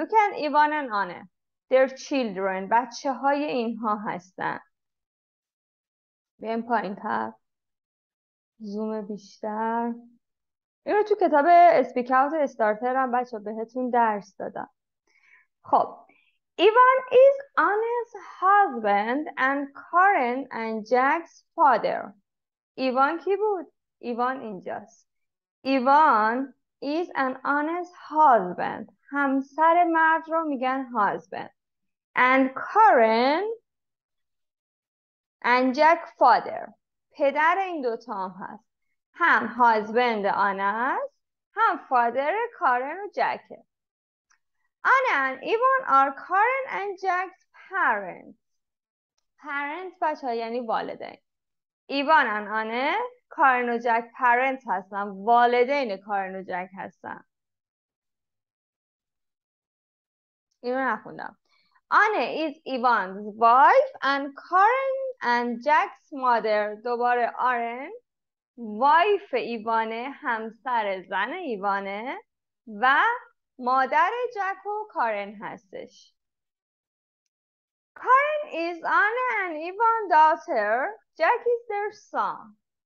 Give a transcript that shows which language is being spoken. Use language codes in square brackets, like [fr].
[en] look at [fa] ایوان و آنه، [en] their children، [fa] بچه های اینها هستن. بیم پایین تر، زوم بیشتر. این رو تو کتاب Speak Out Starter هم بچه بهتون درس دادم. [en] خب Ivan is Anne's husband and Karen and Jack's father. [fa] ایوان کی بود؟ ایوان اینجاست. [en] Ivan is an Anne's husband. [fa] همسر مرد رو میگن husband. [en] And Karen and Jack father. [fa] پدر این دوتا هم هست. هم هازبند آنه هست، هم فادر کارن و جکه. [en] Anne and Ivan are Karen and Jack's parents. [fa] parents بچه یعنی والدین. ایوان and آنه کارن و جک parents هستن، والدین کارن و جک هستن. اینو نخوندم. [en] Anne is Ivan's wife and Karen and Jack's mother. [fa] دوباره آرن وایف ایوانه، همسر زن ایوانه و مادر جک و کارن هستش. [en] Karen is Anne and Ivan's daughter. Jack is their son.